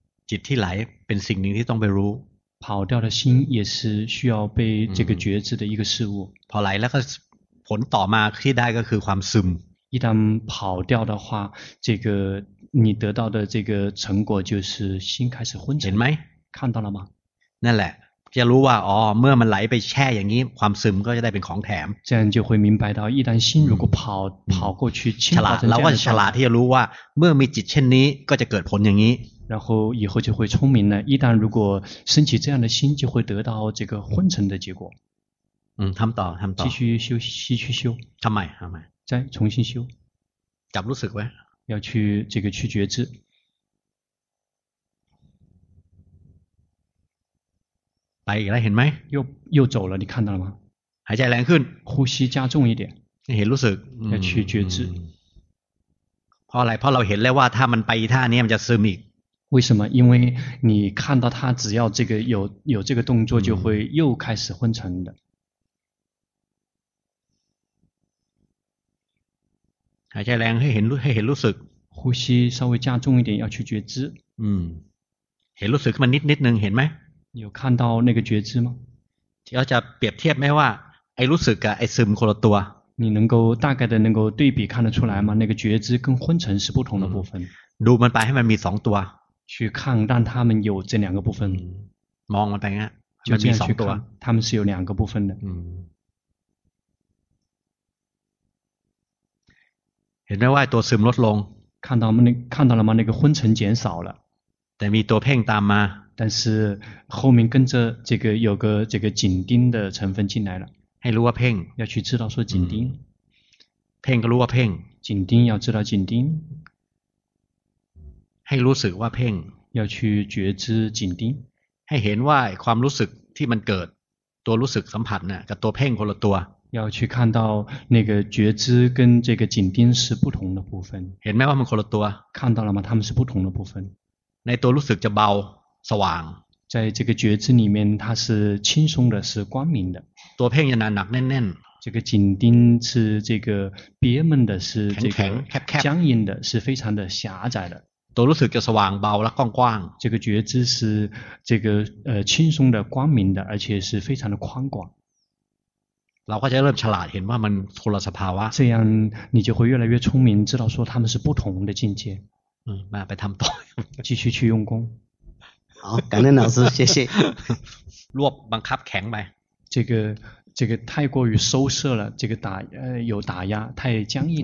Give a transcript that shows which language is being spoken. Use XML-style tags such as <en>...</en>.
<th>จิตที่ไหลเป็นสิ่งหนึ่งที่ต้องไปรู้</th> <zh>跑掉的心也是需要被这个觉知的一个事物</zh> <th>พอไหลแล้วก็ผลต่อมาที่ได้ก็คือความซึม</th> <zh>一旦跑掉的话这个你得到的这个成果就是心开始昏沉</zh> <th>เห็นไหม</th> <zh>看到了吗</zh> <th>นั่นแหละจะรู้ว่าอ๋อเมื่อมันไหลไปแช่อย่างนี้ความซึมก็จะได้เป็นของแถม</th> <zh>这样就会明白到一旦心如果跑跑过去</zh> <th>ฉลาดเราก็จะฉลาดที่จะรู้ว่าเมื่อมีจิตเช่นนี้ก็จะเกิดผลอย่างนี้</th> <zh>然后以后就会聪明了一旦如果升起这样的心就会得到这个昏沉的结果</zh> <th>ทำต่อทำต่อ</th> <zh>继续修继续修</zh> <th>ทำใหม่ทำใหม่</th> <zh>再重新修</zh> <th>จับรู้สึกไว้</th> <zh>要去这个去觉知</zh> <th>ไปอีกแล้วเห็นไหม</th> <zh>又走了你看到了吗</zh> <th>หายใจแรงขึ้น</th> <zh>呼吸加重一点</zh> <th>เห็นรู้สึก</th> <zh>要去觉知</zh> <th>เพราะอะไรเพราะเราเห็นแล้วว่าถ้ามันไปท่านี้มันจะซึมอีก</th> <zh>为什么因为你看到他只要这个有这个动作就会又开始昏沉的</zh> <th>หายใจแรงให้เห็นรู้สึก</th> <zh>呼吸稍微加重一点要去觉知</zh> <th>เห็นรู้สึกมันนิดนึงเห็นไหม</th> <zh>有看到那个觉知吗？</zh> <th>เราจะเปรียบเทียบไหมว่าไอ้รู้สึกกับไอ้ซึมคนละตัว</th> <zh>你能够大概的能够对比看得出来吗？那个觉知跟昏沉是不同的部分。</zh> <th>ดูมันไปให้มันมีสองตัว</th> <zh>去看让他们有这两个部分。</zh> <th>มองมันไปเงี้ย</th> <zh>就这样去看他们是有两个部分的。</zh> <th>เห็นไหมว่าตัวซึมลดลง</th> <zh>看到了吗？那个昏沉减少了。</zh> <th>แต่มีตัวเพ่งตามมา</th> <zh>但是后面跟着这个有个这个紧盯的成分进来了</zh> <th>ให้รู้ว่าเพ่ง</th> <zh>要去知道说紧盯</zh> <th>เพ่งก็รู้ว่าเพ่ง</th> <zh>紧盯要知道紧盯</zh> <th>ให้รู้สึกว่าเพ่ง</th> <zh>要去觉知紧盯</zh> <th>ให้เห็นว่าความรู้สึกที่มันเกิดตัวรู้สึกสัมผัสน่ะกับตัวเพ่งคนละตัว</th> <zh>要去看到那个觉知跟这个紧盯是不同的部分</zh> <th>เห็นไหมว่ามันคนละตัว</th> <zh>看到了吗他们是不同的部分</zh> <th>ในตัวรู้สึกจะเบาสว่าง</th> <zh>在这个觉知里面它是轻松的是光明的</zh> <th>ตัวเพ่งจะหนักแน่น</th> <zh>ๆ这个紧盯是这个憋闷的是这个</zh> <th>แข็งแคบๆ</th> <zh>僵硬的是非常的狭窄的</zh> <th>ตัวรู้สึกจะสว่างเบาและกว้าง</th> <zh>ๆ这个觉知是这个轻松的光明的而且是非常的宽广</zh> <th>เราก็จะเริ่มฉลาดเห็นว่ามันคนละสภาวะ</th> <zh>这样你就会越来越聪明知道说他们是不同的境界</zh> <th>มาไปทำต่อ</th> <zh>继续去用功好感恩老师谢谢</zh> <th>รวบบังคับแข็งไป</th> <zh>这个太过于收摄了这个打有打压太僵硬了</zh>